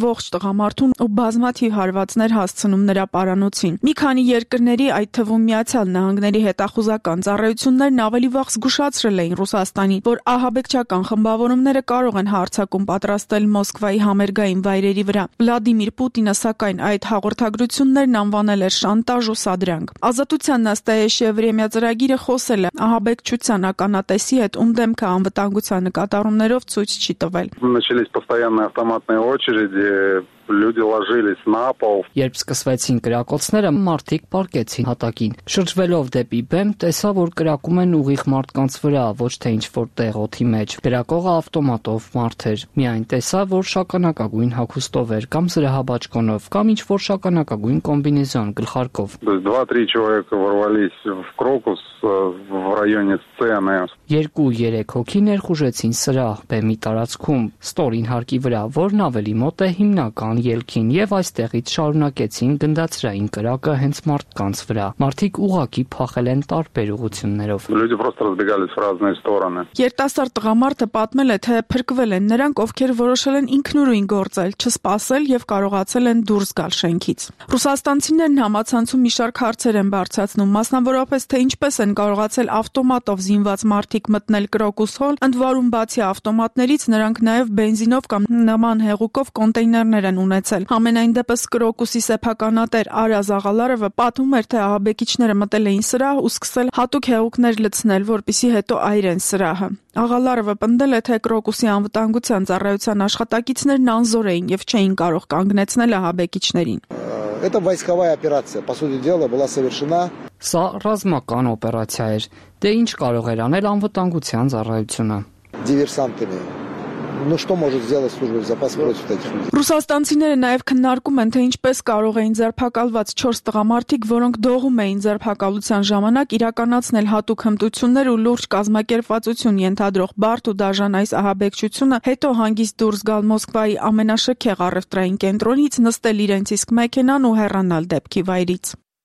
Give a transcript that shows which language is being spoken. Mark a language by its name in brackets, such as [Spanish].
[Armenian] ողջ տղամարդուն ու բազմաթիվ հարվածներ հասցնում նրա պարանոցին։ Մի քանի երկրների, այդ թվում Միացյալ Նահանգների հետախուզական ծառայություններն ավելի վաղ զգուշացրել էին Ռուսաստանին, որ ահաբեկչական խմբավորումները կարող են հարձակում պատրաստել Մոսկվայի համերգային վայրերի վրա։ Վլադիմիր Պուտինը, սակայն, այդ հաղորդագրություններն անվանել է շանտաժ ու սադրանք։ Ազատության Настоящее время ծրագիրը խոսել է ահաբեկչության ականատեսի հետ, ում դեմքը անվտանգության նկատառումներով ցույց չի տվել։ [Russian] Начались постоянные автоматные очереди. Люди ложились на пол. [Armenian] Երբ սկսվեցին կրակոցները, մարդիկ պարկեցին հատակին։ Շրջվելով դեպի բեմ, տեսա, որ կրակում են ուղիղ մարդկանց վրա, ոչ թե ինչ-որ տեղ օդի մեջ։ Կրակողը ավտոմատով մարդ էր։ Միայն տեսա, որ շականակագույն հագուստով էր, կամ զրահաբաճկոնով, կամ ինչ-որ շականակագույն կոմբինեզոն գլխարկով։ [Russian] 2-3 человек ворвались в Крокус в районе сцены. [Armenian] 2-3 հոգի ներխուժեցին սրահ բեմի տարածքում, ստորին հարկի վրա, որն ավելի մոտ է հիմնակ կան ելքին, և այստեղից շարունակեցին գնդացրային կրակը հենց մարդկանց վրա։ Մարդիկ ուղակի փախել են տարբեր ուղություններով։ Երտասարդ տղամարդը պատմել է, թե փրկվել են նրանք, ովքեր որոշել են ինքնուրույն գործել, չսպասել և կարողացել են դուրս գալ շենքից։ Ռուսաստանցիներն համացանցում մի շարք հարցեր են բարձրացնում, մասնավորապես թե ինչպես են կարողացել ավտոմատով զինված մարդիկ մտնել Crocus Hall, ընդ որում բացի ավտոմատներից նրանք նաև բենզինով կամ նման հեղուկով կոնտեյներ ներան ունեցել։ Համենայն դեպս Crocus-ի սեփականատեր Արա Զաղալարովը պատմում էր, թե ահաբեկիչները մտել էին սրահ ու սկսել հատուկ հեղուկներ լցնել, որպիսի հետո այրեն սրահը։ Աղալարովը պնդել է, թե Crocus-ի անվտանգության ծառայության աշխատակիցներն անզոր էին եւ չէին կարող կանգնեցնել ահաբեկիչներին։ [Russian] Это войсковая операция, по сути дела, была совершена. [Armenian] Սա ռազմական օպերացիա էր, դե ինչ կարող էր անել անվտանգության ծառայությունը։ [Russian] Диверсантами. Ну что может сделать служба безопасности против таких людей? [Armenian] Ռուսաստանցիները նաև քննարկում են, թե ինչպես կարող էին ձերբակալված 4 տղամարդիկ, որոնք դողում էին ձերբակալության ժամանակ, իրականացնել հատուկ հմտություններ ու լուրջ կազմակերպվածություն ենթադրող բարդ ու դաժան այս ահաբեկչությունը, հետո հանգիստ դուրս գալ Մոսկվայի ամենաշքեղ առևտրային կենտրոնից, նստել իրենց իսկ մեքենան ու հեռանալ դեպքի վայրից։